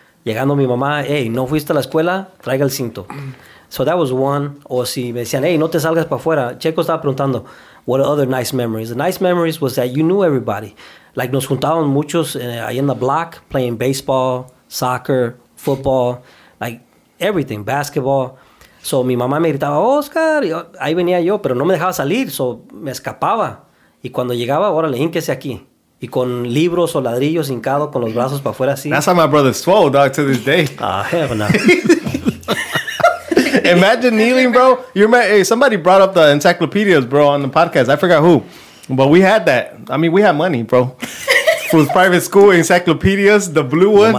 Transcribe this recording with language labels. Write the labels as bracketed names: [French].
[Spanish] Llegando mi mamá, hey, no fuiste a la escuela, traiga el cinto. [English] So that was one. [Spanish] O si me decían, hey, no te salgas para afuera. [English] Checo [Spanish] estaba preguntando, [English] what are other nice memories? The nice memories was that you knew everybody. Like [Spanish] nos juntaban muchos ahí en la [English] block, playing baseball, soccer, football, like everything, basketball. [Spanish] So mi mamá me gritaba, Oscar, y ahí venía yo, pero no me dejaba salir, so me escapaba. Y cuando llegaba, órale, ínquese aquí. Y con libros o ladrillos hincado con los brazos para afuera así. [English] That's how my brother swole, dog, to this day. Hell no. Imagine kneeling, bro. Somebody brought up the encyclopedias, bro, on the podcast. I forgot who. But we had that. I mean, we had money, bro. For private school encyclopedias, the blue one.